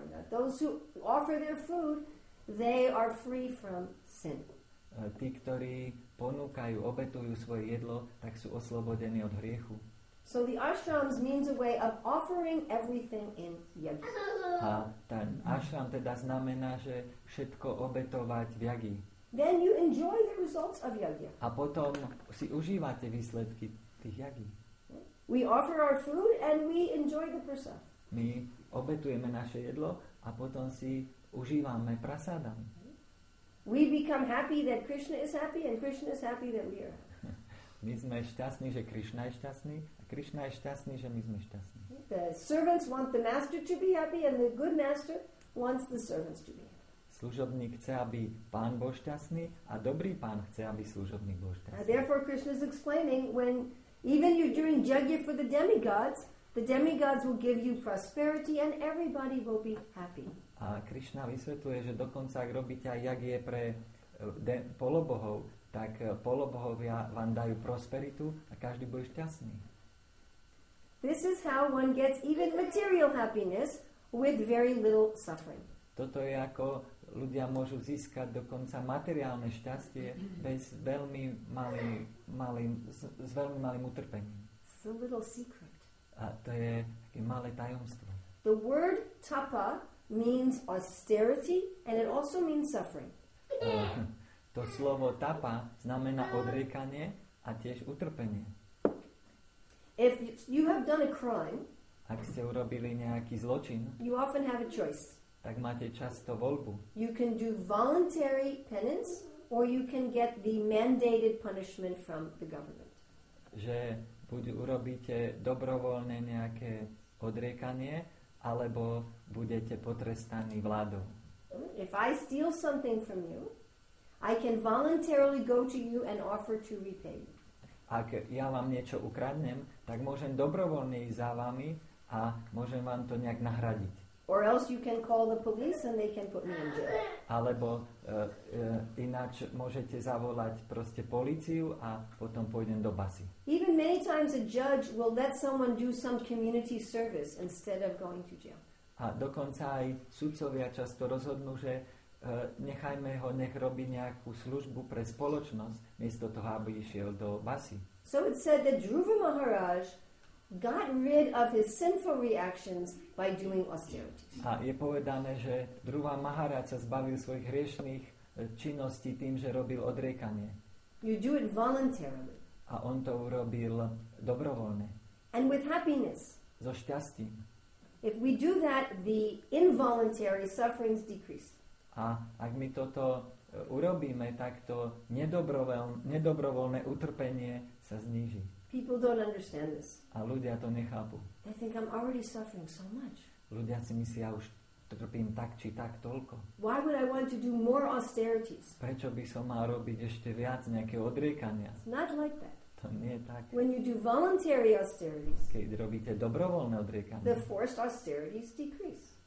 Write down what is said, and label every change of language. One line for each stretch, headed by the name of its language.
English: Those who offer their food, they are free from sin.
Slovak: Tí, ktorí ponúkajú, obetujú svoje jedlo, tak sú oslobodení od hriechu.
English: So the ashrams means a way of offering everything in yagi.
Slovak: A ten ashram teda znamená, že všetko obetovať v yagi.
English: Then you enjoy the results of yagya.
Slovak: A potom si užívate výsledky tých yagi.
English: We offer our food and we enjoy the prasad.
Slovak: My obetujeme naše jedlo a potom si užívame prasadam.
English: We become happy that Krishna is happy and Krishna is happy that we are.
Slovak: My sme šťastní, že Krishna je šťastný a Krishna je šťastný, že my sme šťastní.
English: The servants want the master to be happy and the good master wants the servants to be happy.
Slovak: Služobník chce, aby pán bol šťastný a dobrý pán chce, aby služobník bol šťastný.
English: And therefore Krishna is explaining when even you during yagya for the demigods will give you prosperity and everybody will be happy.
Slovak: A Krishna vysvetľuje, že dokonca ak robíte aj yagya pre polobohov, tak polobohovia vám dajú prosperitu a každý bude šťastný.
English: This is how one gets even material happiness with very little suffering.
Slovak: Toto je ako ľudia môžu získať dokonca materiálne šťastie bez veľmi malým utrpením.
English: So little secret.
Slovak: A to je také malé tajomstvo.
English: The word tapa means austerity and it also means suffering.
Slovak: To slovo tapa znamená odriekanie a tiež utrpenie.
English: If you have done a crime,
Slovak: ak ste urobili nejaký zločin,
English: you often have a choice.
Slovak: Tak máte často voľbu.
English: You can do voluntary penance or you can get the mandated punishment from the government.
Slovak: Že buď urobíte dobrovoľne nejaké odriekanie, alebo budete potrestaní vládou.
English: If I steal something from you, I can voluntarily go to you and offer to repay you.
Slovak: Ak ja vám niečo ukradnem, tak môžem dobrovoľne ísť za vami a môžem vám to nejak nahradiť.
English: Or else you can call the police and they can put me in jail.
Slovak: Alebo ináč môžete zavolať proste políciu a potom pôjdem do basy.
English: Even many times a judge will let someone do some community service instead of going to jail.
Slovak: A dokonca aj sudcovia často rozhodnú, že nechajme ho, nech robí nejakú službu pre spoločnosť, miesto toho, aby išiel do basy.
English: So it said that Dhruva Maharaj got rid of his sinful reactions by doing austerities.
Slovak: A je povedané, že Dhruva Maharaj sa zbavil svojich hriešných činností tým, že robil odriekanie.
English: You do it voluntarily.
Slovak: A on to urobil dobrovoľne.
English: And with happiness.
Slovak: So šťastím.
English: If we do that, the involuntary sufferings decrease.
Slovak: A ak my toto urobíme, tak to nedobrovoľné utrpenie sa zníži.
English: People don't understand this.
Slovak: A ľudia to nechápu.
English: They think I'm already suffering so much.
Slovak: Ľudia si myslia, už trpím tak či tak toľko.
English: Why would I want to do more austerities?
Slovak: Prečo by som mal robiť ešte viac nejaké odriekania?
English: It's not like that.
Slovak: To nie je tak.
English: When you do voluntary austerities,
Slovak: keď robíte dobrovoľné odriekania,
English: the forced austerities decrease.